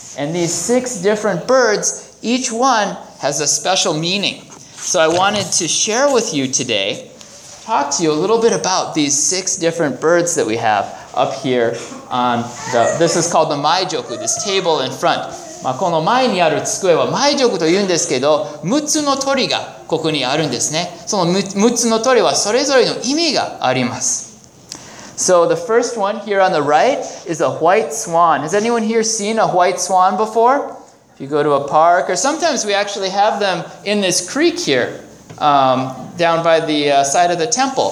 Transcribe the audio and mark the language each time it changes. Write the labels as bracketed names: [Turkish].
[English] And these six different birds, each one has a special meaning. So I wanted to share with you today, talk to you a little bit about these six different birds that we have up here on the, this is called the Maijoku, this table in front. [Japanese] まあ、この前にある机は毎食と言うんですけど、6つの鳥がここにあるんですね。その 6つの鳥はそれぞれの意味があります。 [English] So the first one here on the right is a white swan. Has anyone here seen a white swan before? If you go to a park, or sometimes we actually have them in this creek here, down by the side of the temple.